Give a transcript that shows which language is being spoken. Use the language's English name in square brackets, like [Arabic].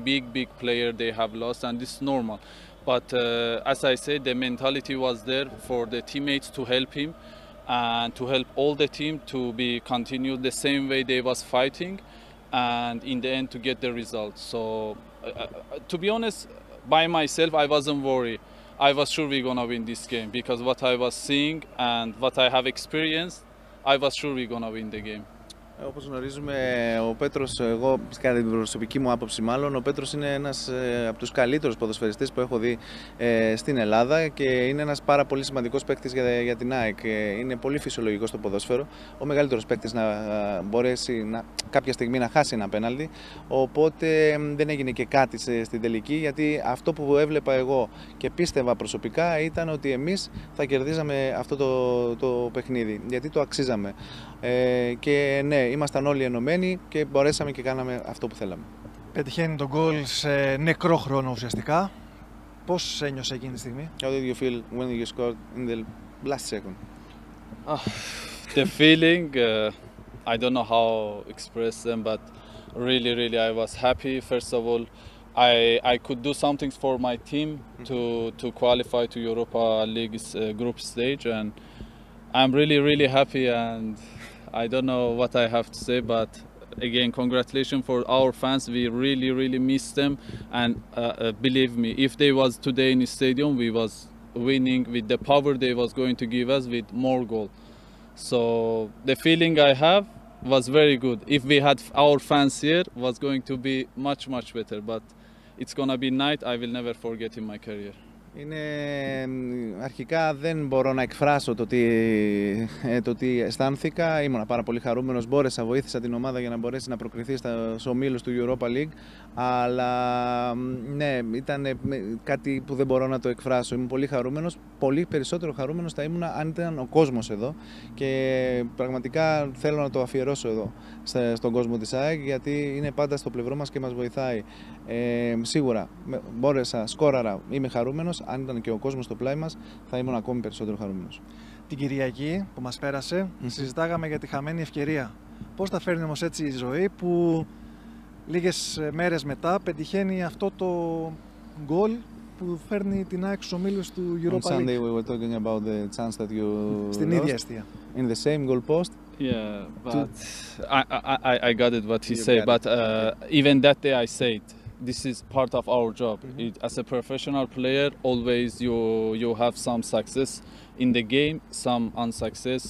[English] Big player they have lost, and it's normal. But as I said, the mentality was there for the teammates to help him and to help all the team to be continued the same way they was fighting and in the end to get the result. So to be honest, by myself, I wasn't worried. I was sure we're gonna win this game because what I was seeing and what I have experienced, I was sure we're gonna win the game. [Greek] Όπως γνωρίζουμε, ο Πέτρος, εγώ κατά την προσωπική μου άποψη μάλλον, ο Πέτρος είναι ένας από τους καλύτερους ποδοσφαιριστές που έχω δει στην Ελλάδα και είναι ένας πάρα πολύ σημαντικός παίκτης για την ΑΕΚ. Είναι πολύ φυσιολογικό στο ποδόσφαιρο. Ο μεγαλύτερος παίκτης να μπορέσει κάποια στιγμή να χάσει ένα πέναλτι. Οπότε δεν έγινε και κάτι στην τελική, γιατί αυτό που έβλεπα εγώ και πίστευα προσωπικά ήταν ότι εμείς θα κερδίζαμε αυτό το παιχνίδι, γιατί το αξίζαμε. Και ναι, ήμασταν όλοι ενωμένοι και μπορέσαμε και κάναμε αυτό που θέλαμε. Πετυχαίνει τον γκολ σε νεκρό χρόνο ουσιαστικά. Πώς ένιωσε εκείνη τη στιγμή? [English] How did you feel when you scored in the last second? The feeling, I don't know how to express them, but really, really, I was happy. First of all, I could do something for my team to qualify to Europa League's group stage, and I'm really, really happy, and I don't know what I have to say, but again, congratulations for our fans. We really, really miss them, and believe me, if they was today in the stadium, we was winning with the power they was going to give us with more goal. So the feeling I have was very good. If we had our fans here, was going to be much, much better, but it's gonna be night I will never forget in my career. [Greek] Είναι αρχικά δεν μπορώ να εκφράσω το τι αισθάνθηκα. Ήμουν πάρα πολύ χαρούμενος, μπόρεσα, βοήθησα την ομάδα για να μπορέσει να προκριθεί στους ομίλους του Europa League. Αλλά ναι, ήταν κάτι που δεν μπορώ να το εκφράσω. Ήμουν πολύ χαρούμενος, πολύ περισσότερο χαρούμενος θα ήμουν αν ήταν ο κόσμος εδώ. Και πραγματικά θέλω να το αφιερώσω εδώ στον κόσμο της ΑΕΚ, γιατί είναι πάντα στο πλευρό μας και μας βοηθάει. Σίγουρα μπόρεσα, σκόραρα, είμαι χαρούμενος. Αν ήταν και ο κόσμος στο πλάι μας, θα ήμουν ακόμη περισσότερο χαρούμενος. Την Κυριακή που μας πέρασε, συζητάγαμε για τη χαμένη ευκαιρία. Πώς τα φέρνει όμως έτσι η ζωή που λίγες μέρες μετά πετυχαίνει αυτό το γκολ που φέρνει την ΑΕΚ στους ομίλους του Europa League. [English] On Sunday we were talking about the chance that you [Greek] στην ίδια αιστεία. [English] In the same goal post. Yeah, but I got it what he said, but even that day I said this is part of our job. Mm-hmm. It, as a professional player, always you have some success in the game, some unsuccess.